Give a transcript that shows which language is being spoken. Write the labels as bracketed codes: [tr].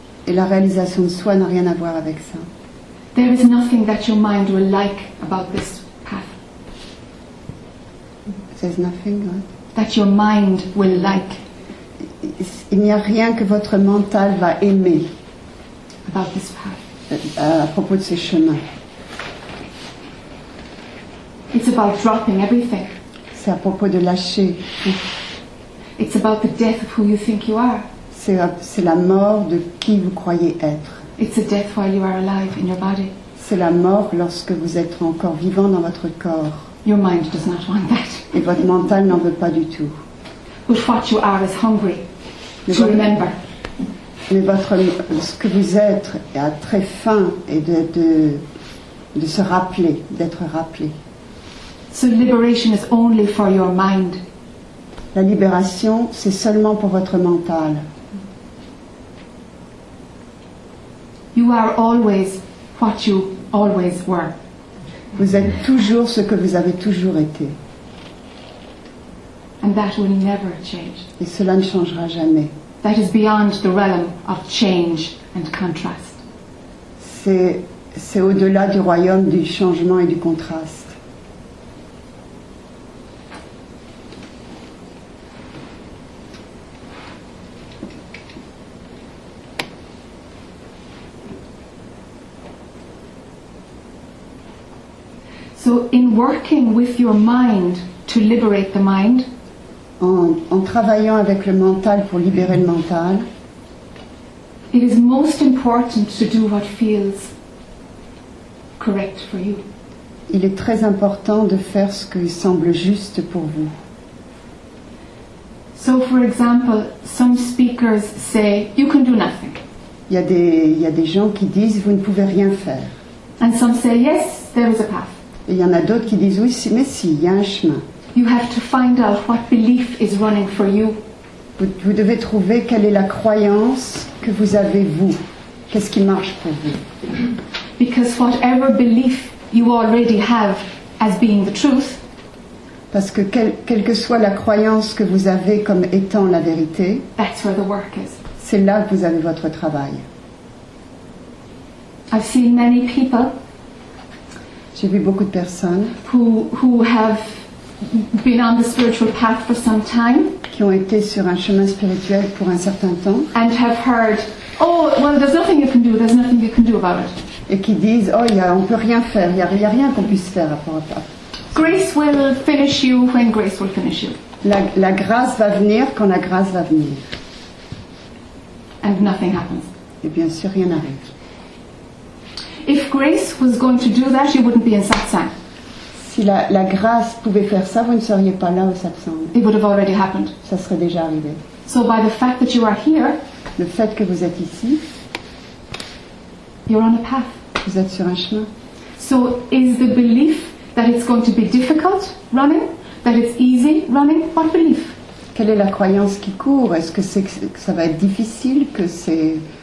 [fr] Et la réalisation de soi n'a rien à voir avec ça. [en] There is nothing that your mind will like about this path. There's nothing, right? That your mind will like. [fr] Il n'y a rien que votre mental va aimer [en] about this path. [fr] À propos de ce chemin. [en] It's about dropping everything. [fr] C'est à propos de lâcher. [en] It's about the death of who you think you are. [fr] C'est la mort de qui vous croyez être. [en] It's a death while you are alive in your body. [fr] C'est la mort lorsque vous êtes encore vivant dans votre corps. [en] Your mind does not want that. [fr] Et votre mental n'en veut pas du tout. [en] But what you are is hungry to remember. [fr] Mais votre, ce que vous êtes a très faim et de se rappeler, d'être rappelé. [en] So liberation is only for your mind. [fr] La libération, c'est seulement pour votre mental. [en] You are always what you always were. [fr] Vous êtes toujours ce que vous avez toujours été. [en] And that will never change. [fr] Et cela ne changera jamais. [en] That is beyond the realm of change and contrast. [fr] C'est au-delà du royaume du changement et du contraste. [en] So in working with your mind to liberate the mind, [fr] En travaillant avec le mental pour libérer le mental, [en] it is most important to do what feels correct for you. [fr] Il est très important de faire ce qui semble juste pour vous. [en] So, for example, some speakers say you can do nothing. [fr] Il y a des gens qui disent vous ne pouvez rien faire. [en] And some say yes, there is a path. [fr] Et il y en a d'autres qui disent oui, mais si, il y a un chemin. [en] You have to find out what belief is running for you. [fr] Vous devez trouver quelle est la croyance que vous avez vous. Qu'est-ce qui marche pour vous? [en] Because whatever belief you already have as being the truth. [fr] Parce que quelle que soit la croyance que vous avez comme étant la vérité. [en] That's where the work is. [fr] C'est là que vous avez votre travail. [en] I've seen many people. [fr] J'ai vu beaucoup de personnes. [en] Who have been on the spiritual path for some time, [fr] qui ont été sur un chemin spirituel pour un certain temps, [en] and have heard, oh, well, there's nothing you can do. There's nothing you can do about it. [fr] Et qui disent, oh, on peut rien faire. Il y a rien qu'on puisse faire à propos de ça. [en] Grace will finish you when grace will finish you. [fr] La grâce va venir quand la grâce va venir. [en] And nothing happens. [fr] Et bien sûr, rien n'arrive. [en] If grace was going to do that, you wouldn't be in satsang. [fr] Si la grâce pouvait faire ça, vous ne seriez pas là au Sept. [en] It would have already happened. [fr] Ça serait déjà arrivé. [en] So by the fact that you are here, [fr] le fait que vous êtes ici, [en] you're on a path. [fr] Vous êtes sur un chemin. [en] So is the belief that it's going to be difficult running, that it's easy running, what belief? [fr] Quelle est la croyance qui court? Est-ce que c'est que ça va être difficile, que c'est